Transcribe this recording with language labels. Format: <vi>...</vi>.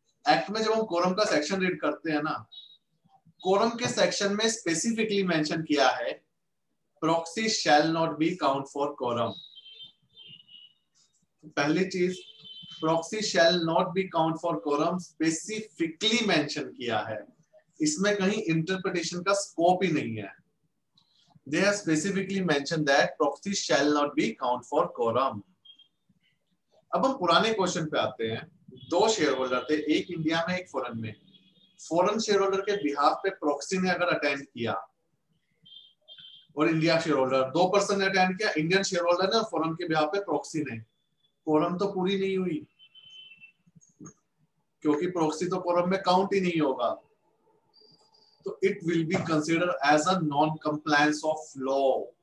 <hi>Act में जब हम कोरम का सेक्शन रीड करते हैं ना, कोरम के सेक्शन में स्पेसिफिकली मेंशन किया है</hi> <en>Proxy shall not be count for quorum.</en> <hi>पहली चीज,</hi> <en>proxy shall not be count for quorum</en> <hi>specifically mention किया है, इसमें कहीं इंटरप्रिटेशन का स्कोप ही नहीं है।</hi> <en>They have specifically mentioned that proxy shall not be count for quorum.</en> <hi>अब हम पुराने क्वेश्चन पे आते हैं। दो शेयर होल्डर थे, एक इंडिया में एक फॉरेन में। फॉरेन शेयर होल्डर के बिहाफ पे प्रॉक्सी ने अगर अटेंड किया और इंडिया शेयर होल्डर, दो पर्सन ने अटेंड किया, इंडियन शेयर होल्डर ने और फॉरेन के बिहाफ पे प्रॉक्सी ने, कोरम तो पूरी नहीं हुई क्योंकि प्रॉक्सी तो कोरम में काउंट ही नहीं होगा, तो</hi> <en>It will be consider as a non compliance of law.</en>